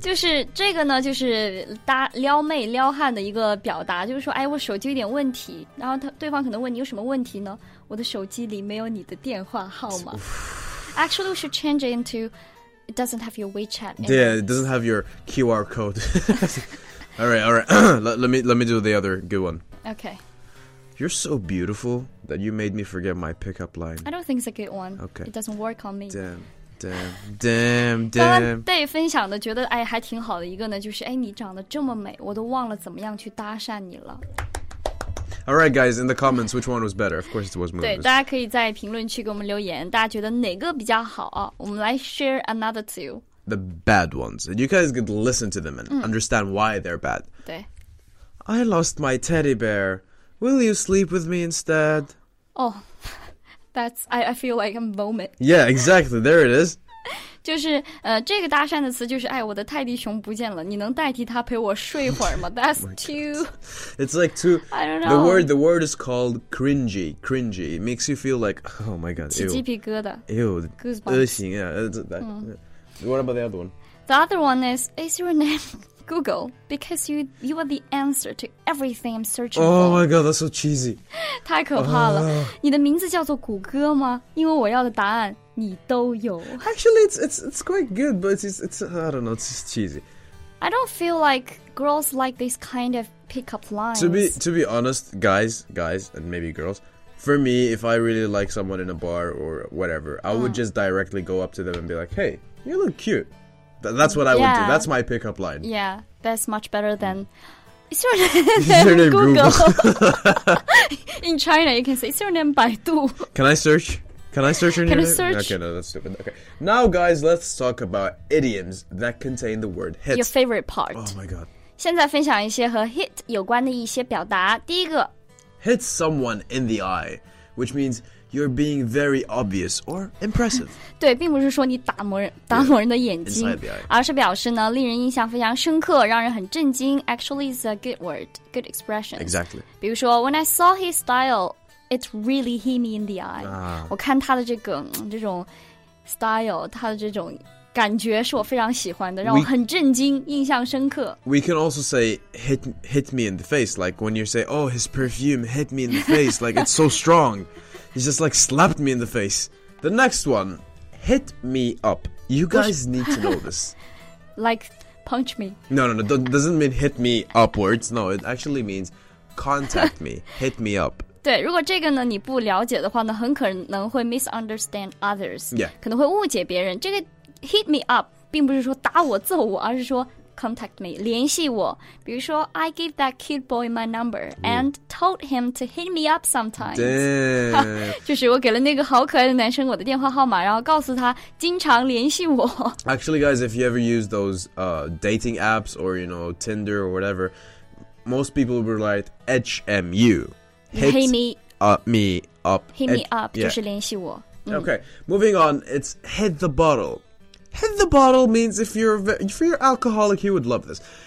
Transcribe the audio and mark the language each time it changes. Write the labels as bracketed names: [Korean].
[Chinese] 就是这个呢，就是搭撩妹撩汉的一个表达，就是说，哎，我手机有点问题。然后对方可能问你有什么问题呢？我的手机里没有你的电话号码。 [English] Actually, we should change it into it doesn't have your WeChat. Yeah, it doesn't have your QR code. All right. let me do the other good one. Okay. You're so beautiful that you made me forget my pickup line. I don't think it's a good one. Okay. It doesn't work on me. Damn. [Chinese] 刚刚 Dave 分享的觉得哎还挺好的一个呢，就是哎你长得这么美，我都忘了怎么样去搭讪你了。 [English] All right, guys, in the comments, which one was better? Of course, it was Moon. [Chinese] 对，大家可以在评论区给我们留言，大家觉得哪个比较好啊？我们来 [English] share another two. The bad ones. And you guys could listen to them and understand why they're bad. [Chinese] 对。 [English] I lost my teddy bear. Will you sleep with me instead? Oh, that's... I feel like I'm vomit. Yeah, exactly. There it is. [Chinese] 就是这个搭讪的词就是哎，我的泰迪熊不见了，你能代替他陪我睡会儿吗? [English] That's too... It's like too... I don't know. The word is called cringy. Cringy. It makes you feel like, oh my god, [Chinese] 起鸡皮疙瘩。 [English] Ew. Goosebumps. [Chinese] 恶心啊。 [English] What about the other one? The other one is your name... Google, because you are the answer to everything I'm searching oh Oh my god, that's so cheesy. [Chinese] 太可怕了。你的名字叫做谷歌吗？因为我要的答案你都有。 [English] Actually, it's quite good, but it's I don't know, it's just cheesy. I don't feel like girls like this kind of pickup lines. To be honest, guys, and maybe girls, for me, if I really like someone in a bar or whatever, I would just directly go up to them and be like, hey, you look cute. That's what I would do. That's my pickup line. Yeah, that's much better than... Is your name, is your name Google? In China, you can say, is your name Baidu? Can I search your can name? Can I search? Okay, no, that's stupid. Okay. Now, guys, let's talk about idioms that contain the word hit. Your favorite part. Oh, my God. [Chinese] 现在分享一些和 hit 有关的一些表达。第一个 [English] Hit someone in the eye, which means... You're being very obvious or impressive. [Chinese] 对，并不是说你打某人的眼睛，而是表示呢，令人印象非常深刻，让人很震惊。 [English] Actually, it's a good word, good expression. Exactly. [Chinese] 比如说 ， [English] When I saw his style, it really hit me in the eye. [Chinese] 我看他的这种 style, 他的这种感觉是我非常喜欢的，让我很震惊，印象深刻。 [English] We can also say hit me in the face, like when you say, "Oh, his perfume hit me in the face, like it's so strong." He just like slapped me in the face. The next one, hit me up. You guys need to know this. Like punch me. No, doesn't mean hit me upwards. No, it actually means contact me, hit me up. [Chinese] 对，如果这个呢你不了解的话呢，很可能会 [English] misunderstand others. Yeah. [Chinese] 可能会误解别人。这个 hit me up 并不是说打我揍我，而是说 [English] contact me, [Chinese] 联系我。比如说 [English] I gave that cute boy my number and told him to hit me up sometimes. Damn. [Chinese] 就是我给了那个好可爱的男生我的电话号码，然后告诉他经常联系我。 [English] Actually, guys, if you ever use those dating apps or, you know, Tinder or whatever, most people would write HMU. Hit me up. Hit me up, [Chinese] 就是联系我。 [English] Okay, moving on, it's hit the bottle. Hit the bottle means, if you're alcoholic, you would love this.